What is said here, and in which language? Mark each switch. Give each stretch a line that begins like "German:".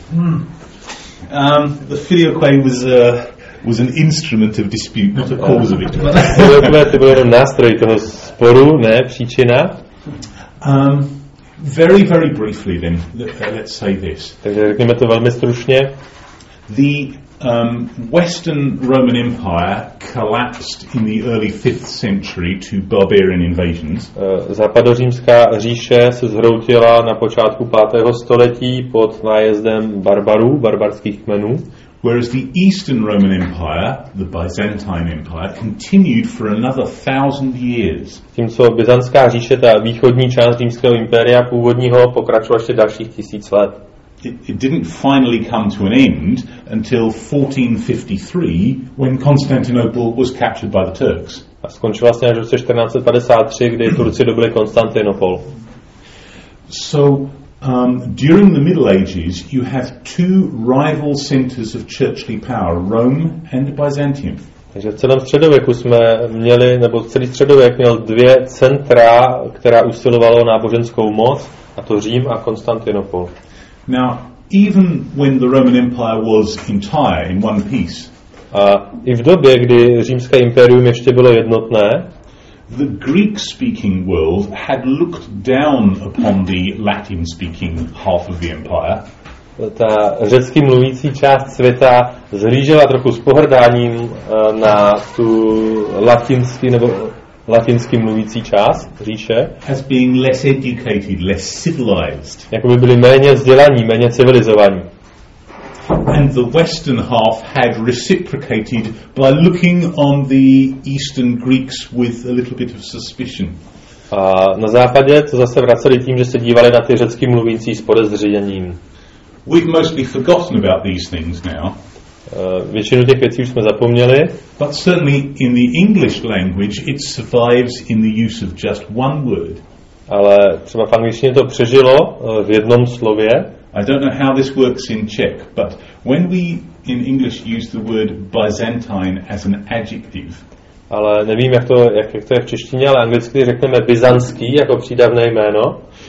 English: The filioque was an instrument of dispute, not a cause of it.
Czech: Filioque to byl jenom nástroj toho sporu, ne příčina.
English: Very, very briefly then, let's say this.
Czech: Takže řekněme to velmi stručně.
English: The Western Roman Empire collapsed in the early 5th century to barbarian invasions.
Czech: Západořímská říše se zhroutila na počátku 5. století pod nájezdem barbarů, barbarských kmenů.
English: Whereas the Eastern Roman Empire, the Byzantine Empire, continued for another 1,000 years.
Czech: Tímco byzantská říše, ta východní část římského impéria původního, pokračovala ještě dalších 1000 let.
English: It didn't finally come to an end until 1453, when Constantinople was captured by the Turks.
Czech: A skončilo vlastně až v roce 1453, kdy Turci dobili Konstantinopol.
English: So, during the Middle Ages, you have two rival centers of churchly power, Rome and Byzantium.
Czech: Takže v celém středověku jsme měli, nebo celý středověk měl dvě centra, která usilovala o náboženskou moc, a to Řím a Konstantinopol.
English: Now, even when the Roman Empire was entire in one piece,
Czech: I v době, kdy římské impérium ještě bylo jednotné,
English: the Greek-speaking world had looked down upon the Latin-speaking half of the empire.
Czech: Ta řecky mluvící část světa zhlížela trochu s pohrdáním na tu latinský nebo latinsky mluvící část říše,
English: as being less educated, less civilized.
Czech: Jako by byli méně vzdělaní, méně civilizovaní.
English: And the western half had reciprocated by looking on the eastern Greeks with a little bit of suspicion.
Czech: A na západě to zase vraceli tím, že se dívali na ty řecky mluvící s podezřením.
English: We've mostly forgotten about these things now.
Czech: Většinu těch věcí už jsme zapomněli.
English: But certainly in the English language it survives in the use of just one word.
Czech: Ale třeba v angličtině to přežilo v jednom slově.
English: I don't know how this works in Czech, but when we in English use the word Byzantine as an adjective.
Czech: Ale nevím, jak to je v češtině, ale anglicky řekneme byzantský jako přídavné jméno.